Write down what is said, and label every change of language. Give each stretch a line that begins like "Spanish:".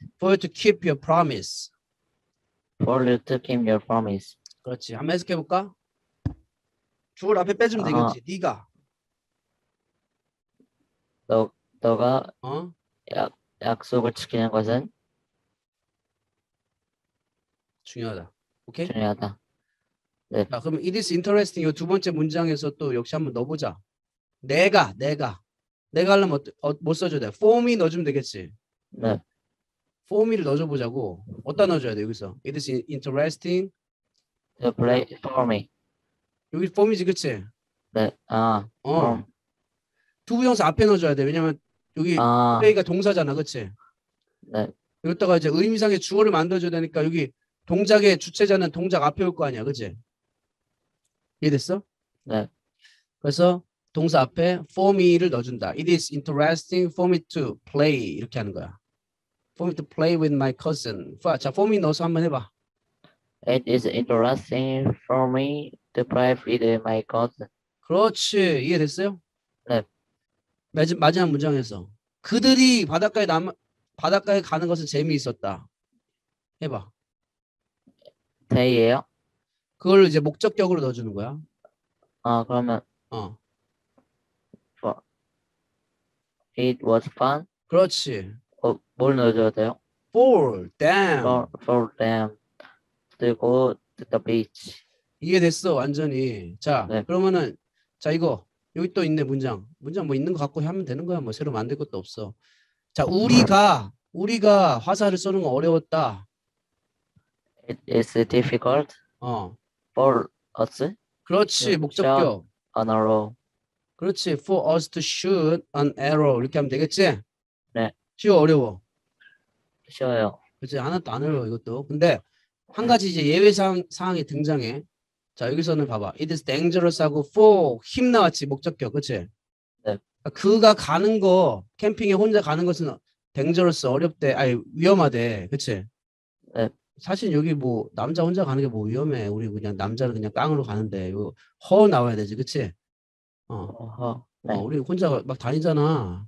English: for you to keep your promise. for you to keep your promise.
Korean: 그렇지. 한번 해석해볼까? 주어를 앞에 빼주면 되겠지. 네가. 너가 약속을 지키는 것은 중요하다. 오케이? 중요하다. 자, 그럼
English: it is interesting.
Korean: 이두 번째 문장에서 또 역시 한번 넣어보자. 내가 하려면 뭐 써줘야 돼?
English: For me
Korean: 넣어주면 되겠지.
English: For me
Korean: 를 넣어줘보자고. 어디다 넣어줘야 돼, 여기서?
English: It is interesting. To play for me.
Korean: 여기
English: for me
Korean: 지, 그치? 그럼. To 부정사 앞에 넣어줘야 돼. 왜냐면 여기 play가 동사잖아, 그치? 여기다가 이제 의미상의 주어를 만들어줘야 되니까 여기 동작의 주체자는 동작 앞에 올거 아니야, 그치? 이해됐어? 그래서 동사 앞에
English: for me
Korean: 를 넣어준다.
English: It is interesting for me to play
Korean: 이렇게 하는 거야.
English: For me to play with my cousin.
Korean: 자,
English: for me
Korean: 넣어서 한번 해봐.
English: It is interesting for me to play with my cousin.
Korean: 그렇지, 이해됐어요? 마지막 문장에서 그들이 바닷가에 가는 것은 재미있었다. 해봐. 대예요? 그걸 이제 목적격으로 넣어주는 거야. 그러면
English: it was fun.
Korean: 그렇지. 뭘 넣어줘야 돼요?
English: For them. For them to go to the beach.
Korean: 이해됐어, 완전히. 자, 네. 그러면은, 자, 이거. 여기 또 있네, 문장. 문장 뭐 있는 거 갖고 하면 되는 거야. 뭐 새로 만들 것도 없어. 자, 우리가 화살을 쏘는 거 어려웠다.
English: It is difficult for us
Korean: 그렇지,
English: to shoot
Korean: 목적격.
English: an arrow.
Korean: 그렇지,
English: for us to shoot an arrow.
Korean: 이렇게 하면 되겠지? 네. 쉬워, 어려워. 쉬워요. 그렇지, 하나도 안 어려워, 이것도. 근데, 한 가지 이제 예외 사항이 등장해. 자, 여기서는 봐봐.
English: It is dangerous
Korean: 하고
English: for him
Korean: 나왔지, 목적격. 그치? 그가 가는 거, 캠핑에 혼자 가는 것은 dangerous, 어렵대. 아니, 위험하대. 그치? 사실 여기 뭐, 남자 혼자 가는 게뭐 위험해. 우리 그냥 남자는 그냥 깡으로 가는데. 이거, 허 나와야 되지. 그치? 우리 혼자 막 다니잖아.